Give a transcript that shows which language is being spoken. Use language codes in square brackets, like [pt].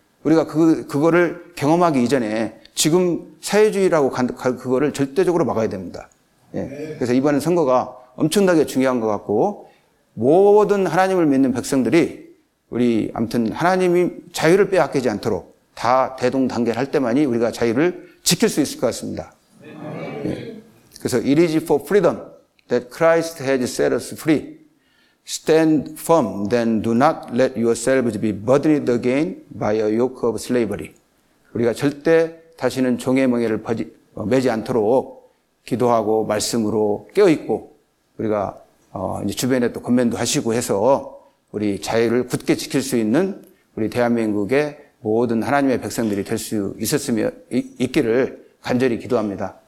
[ko] 우리가 그거를 경험하기 이전에 지금 사회주의라고 갈 그거를 절대적으로 막아야 됩니다. 예. 그래서 이번 선거가 엄청나게 중요한 것 같고 모든 하나님을 믿는 백성들이 우리 아무튼 하나님이 자유를 빼앗기지 않도록 다 대동단결할 때만이 우리가 자유를 지킬 수 있을 것 같습니다. 예. 그래서 [en] It is for freedom that Christ has set us free. Stand firm, then do not let yourselves be burdened again by a yoke of slavery. [ko] 우리가 절대 다시는 종의 멍에를 매지 않도록 기도하고 말씀으로 깨어있고 우리가 이제 주변에 또 권면도 하시고 해서 우리 자유를 굳게 지킬 수 있는 우리 대한민국의 모든 하나님의 백성들이 될 수 있었으면 있기를 간절히 기도합니다.